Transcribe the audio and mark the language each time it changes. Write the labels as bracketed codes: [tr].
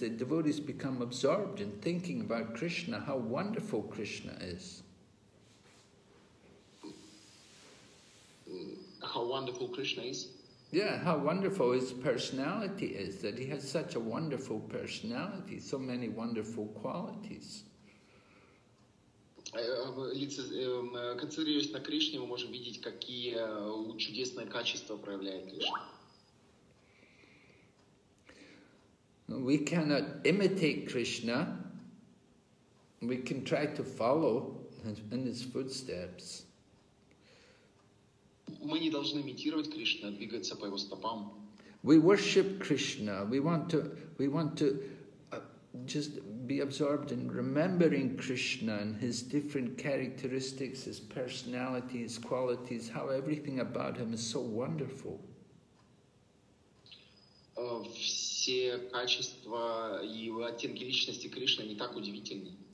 [en] The devotees become absorbed in thinking about Krishna, how wonderful Krishna is. How wonderful Krishna is? Yeah, how wonderful his personality is, that he has such a wonderful personality, so many wonderful qualities. [ru] Концентрируясь на Кришне, мы можем видеть, какие чудесные качества проявляет Кришна. [en] We cannot imitate Krishna. We can try to follow in his footsteps. [ru] мы не должны имитировать Кришну, а двигаться по его стопам. [en] We worship Krishna. We want to just be absorbed in remembering Krishna and his different characteristics, his personality, his qualities, how everything about him is so wonderful. [ru] Все качества и оттенки личности Кришны не так удивительны.